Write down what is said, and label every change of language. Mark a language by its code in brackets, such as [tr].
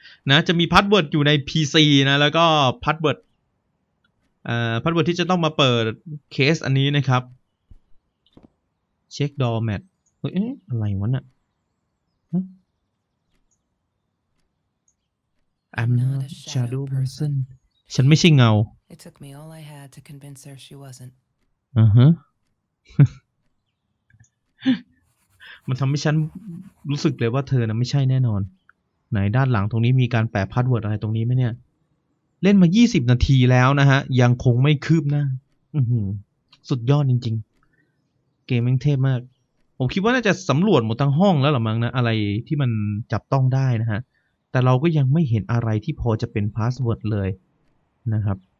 [th] นะจะมีพาสเวิร์ดอยู่ใน PC นะแล้วก็พาสเวิร์ดพาสเวิร์ดที่จะต้องมาเปิดเคสอันนี้นะครับเช็คดอร์แมทเฮ้ยอะไรวะเนี่ย [en] I'm not a shadow person. [th] ฉันไม่ใช่เงา [en] It took me all I had to convince her she wasn't. [th] มันทำให้ฉันรู้สึกเลยว่าเธอน่ะไม่ใช่แน่นอนไหนด้านหลังตรงนี้มีการแปะพาสเวิร์ดอะไรตรงนี้ไหมเนี่ยเล่นมา20นาทีแล้วนะฮะยังคงไม่คืบหน้าสุดยอดจริงๆเกมแม่งเทพมากผมคิดว่าน่าจะสำรวจหมดทั้งห้องแล้วหรือมั้งนะอะไรที่มันจับต้องได้นะฮะแต่เราก็ยังไม่เห็นอะไรที่พอจะเป็นพาสเวิร์ดเลยนะครับ